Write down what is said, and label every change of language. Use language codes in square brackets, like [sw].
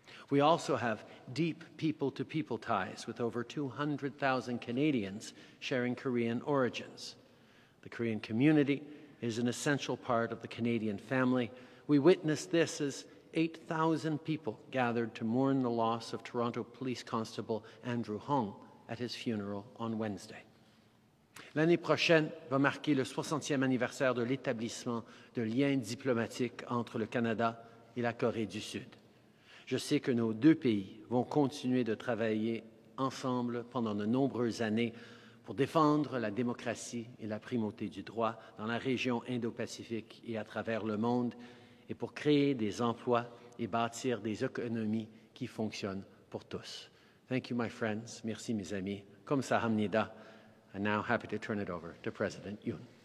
[en] We also have deep people-to-people ties with over 200,000 Canadians sharing Korean origins. The Korean community is an essential part of the Canadian family. We witnessed this as 8,000 people gathered to mourn the loss of Toronto Police Constable Andrew Hong at his funeral on Wednesday. [fr] L'année prochaine va marquer le 60e anniversaire de l'établissement de liens diplomatiques entre le Canada et la Corée du Sud. Je sais que nos deux pays vont continuer de travailler ensemble pendant de nombreuses années pour défendre la démocratie et la primauté du droit dans la région Indo-Pacifique et à travers le monde et pour créer des emplois et bâtir des économies qui fonctionnent pour tous. [en] Thank you, my friends. [fr] Merci, mes amis. [en] Comme ça, Hamnida. And now, happy to turn it over to President Yoon.